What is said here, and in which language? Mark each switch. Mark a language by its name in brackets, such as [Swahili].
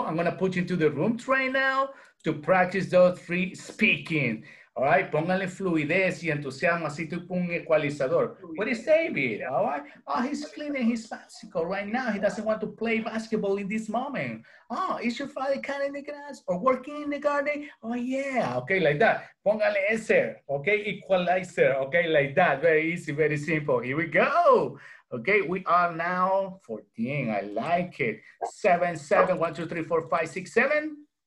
[English] I'm gonna put you into the room train now to practice those three speaking. [Spanish] All right, póngale fluidez y entusiasmo, así tú un ecualizador. [English] What is David, all right? Oh, he's cleaning his bicycle right now. He doesn't want to play basketball in this moment. Oh, is your father cutting the grass or working in the garden? Oh, yeah, okay, like that. [Spanish] Póngale ese, [English] okay, equalizer, okay, like that. Very easy, very simple. Here we go. Okay, we are now 14. I like it. 7, 7, 1, 2, 3, 4, 5, 6, 7.